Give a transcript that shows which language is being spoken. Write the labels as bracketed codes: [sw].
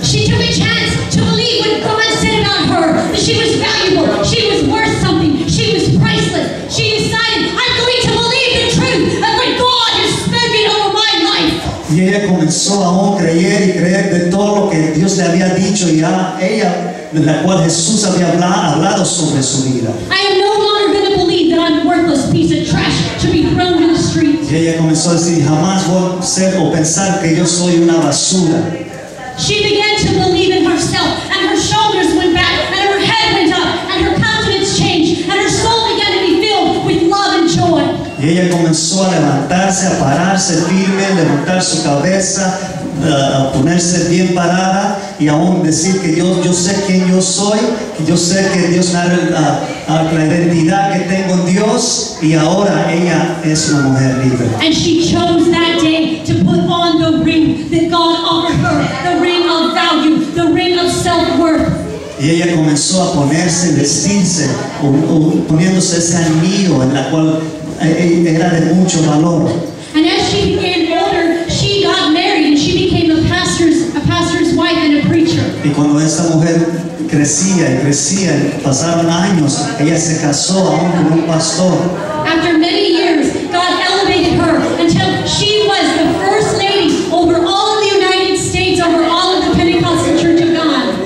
[en] She took a chance to believe what God said about her, that she was valuable, she was worth something, she was priceless. She decided, I'm going to believe the truth of what God has spoken over my life. [es] Y ella comenzó aún a creer y creer de todo lo que Dios le había dicho y a ella, de la cual Jesús había hablado sobre su vida. [en] I am no longer going to believe that I'm a worthless piece of trash to be thrown in the street. [es] Y ella comenzó a decir, jamás voy a ser o pensar que yo soy una basura. [en] She began to believe in herself, and her shoulders went back, and her head went up, and her countenance changed, and her soul began to be filled with love and joy. [es] Y ella comenzó a levantarse, a pararse firme, a levantar su cabeza, a ponerse bien parada y aún decir que yo sé quién yo soy, que yo sé que Dios me da la identidad que tengo en Dios y ahora ella es una mujer libre. [en] And she chose that day to put on the ring that God offered her, the ring of value, the ring of self-worth. [es] Y ella comenzó a ponerse, vestirse, poniéndose ese anillo en la cual era de mucho valor. [en] And as she became older, she got married and she became a pastor's wife and a preacher. [es] Y cuando esta mujer crecía y crecía, pasaron años, ella se casó aún con un pastor. [en] After many years, God elevated her until she was the first lady over all of the United States, over all of the Pentecostal Church of God.